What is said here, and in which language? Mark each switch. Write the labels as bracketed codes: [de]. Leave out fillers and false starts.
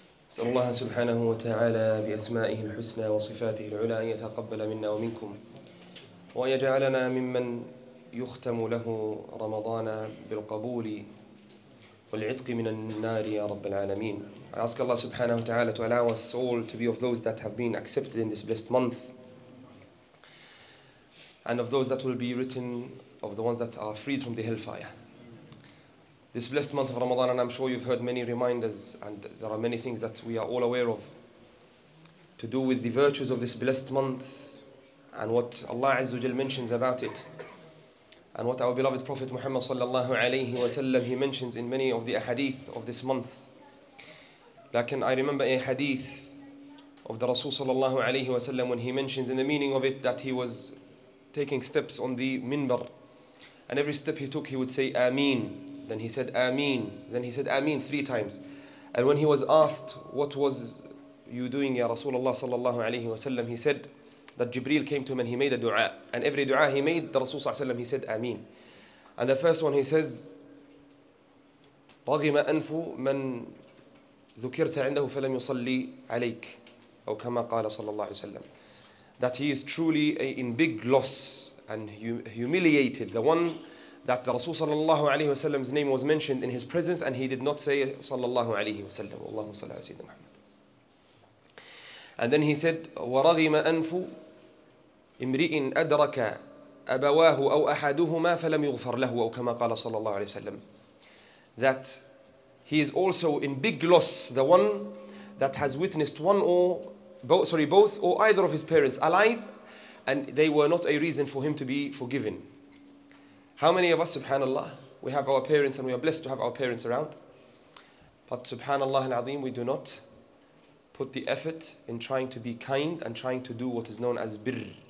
[ar] أسأل الله سبحانه وتعالى بأسمائه الحسنى وصفاته العلى أن يتقبل منا ومنكم، ويجعلنا ممن يختم له رمضان بالقبول والعتق من النار يا رب العالمين. [en] I ask Allah subhanahu wa ta'ala to allow us all to be of those that have been accepted in this blessed month, and of those that will be written of the ones that are freed from the hellfire. This blessed month of Ramadan, and I'm sure you've heard many reminders, and there are many things that we are all aware of to do with the virtues of this blessed month, and what Allah Azza wa Jal mentions about it, and what our beloved Prophet Muhammad sallallahu alayhi wa sallam, he mentions in many of the ahadith of this month. Lakin I remember a hadith of the Rasul sallallahu alayhi wa sallam, when he mentions in the meaning of it that he was taking steps on the minbar, and every step he took he would say Ameen, then he said Ameen, then he said Ameen three times. And when he was asked, what was you doing ya Rasulullah sallallahu alayhi wa sallam, he said that Jibreel came to him and he made a dua, and every dua he made, the Rasul sallallahu alayhi wa sallam, he said Ameen. And the first one he says, [ar] رَغِمَ أَنْفُ مَنْ ذُكِرْتَ عِنْدَهُ فَلَمْ يُصَلِّ عَلَيْكَ أو كما قال صلى الله عليه وسلم. [en] That he is truly in big loss and humiliated, the one that the Rasul sallallahu alayhi wa sallam's name was mentioned in his presence and he did not say [ar] صلى الله عليه وسلم [en] اللهم صلى الله عليه وسلم. And then he said, [ar] وَرَغِمَ أَنْفُ إِمْرِئٍ أَدْرَكَ أَبَوَاهُ أَوْ أَحَدُهُمَا فَلَمْ يُغْفَرْ لَهُ أَوْ كَمَا قَالَ صَلَى اللَّهُ عَلَيْهِ وَسَلَّمْ. [en] That he is also in big loss, the one that has witnessed both or either of his parents alive, and they were not a reason for him to be forgiven. How many of us, subhanAllah, we have our parents and we are blessed to have our parents around, but subhanAllah al-Azim, we do not put the effort in trying to be kind and trying to do what is known as birr.